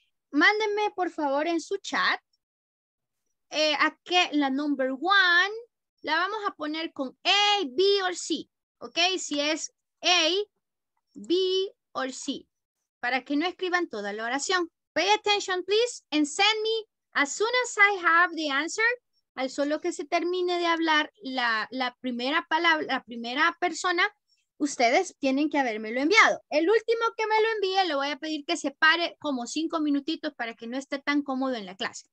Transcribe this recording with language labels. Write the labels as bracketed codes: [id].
[es] Mándenme por favor en su chat, a que la number one, la vamos a poner con A, B o C, ¿ok? Si es A, B o C, para que no escriban toda la oración. [en] Pay attention, please, and send me as soon as I have the answer. [es] Al solo que se termine de hablar la primera palabra, la primera persona, ustedes tienen que habérmelo enviado. El último que me lo envíe, le voy a pedir que se pare como 5 minutitos para que no esté tan cómodo en la clase.